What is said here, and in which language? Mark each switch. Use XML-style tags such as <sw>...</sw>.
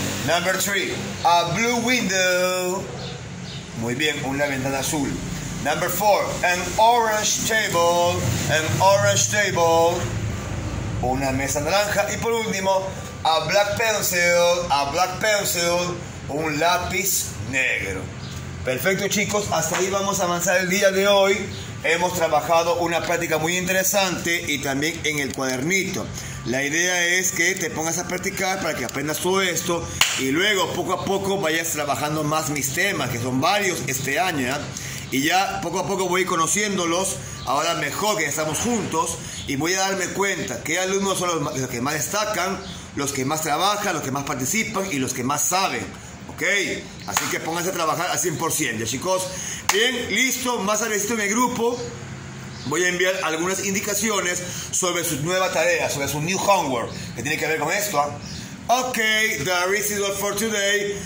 <en>Number three, a blue window.</en> <es>Muy bien, una ventana azul.</es> <en>Number four, an orange table. An orange table.</en> <es>Una mesa naranja. Y por último,</es> <en>a black pencil. A black pencil.</en> <es>Un lápiz negro. Perfecto, chicos, hasta ahí vamos a avanzar el día de hoy. Hemos trabajado una práctica muy interesante y también en el cuadernito. La idea es que te pongas a practicar para que aprendas todo esto y luego poco a poco vayas trabajando más mis temas, que son varios este año, ¿eh? Y ya poco a poco voy conociéndolos, ahora mejor que estamos juntos, y voy a darme cuenta qué alumnos son los que más destacan, los que más trabajan, los que más participan y los que más saben. Ok, así que pónganse a trabajar al 100%, ya, chicos. Bien, listo, más agradecido en el grupo. Voy a enviar algunas indicaciones sobre su nueva tarea, sobre su</es> <en>new homework,</en> <es>que tiene que ver con esto.</es> <en>Ok, that is it all for today.</en>